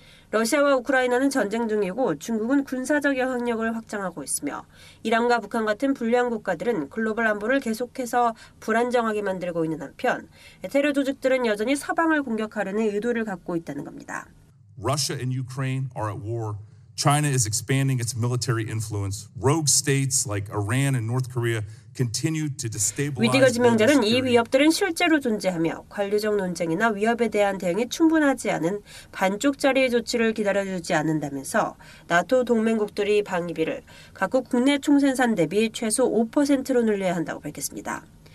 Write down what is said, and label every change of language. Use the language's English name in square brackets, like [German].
[Korean] 러시아와 우크라이나는 전쟁 중이고 중국은 군사적 영향력을 확장하고 있으며 이란과 북한 같은 불량 국가들은 글로벌 안보를 계속해서 불안정하게 만들고 있는 한편 테러 조직들은 여전히 서방을 공격하려는 의도를 갖고 있다는 겁니다. [English] Russia and Ukraine are at war. China is expanding its military influence. Rogue states like Iran and North Korea continue to destabilize. [Korean] 위디거 지명자는 이 위협들은 실제로 존재하며 관료적 논쟁이나 위협에 대한 대응이 충분하지 않은 반쪽짜리 조치를 기다려주지 않는다면서 나토 동맹국들이 방위비를 각국 국내 총생산 대비 최소 5%로 늘려야 한다고 밝혔습니다.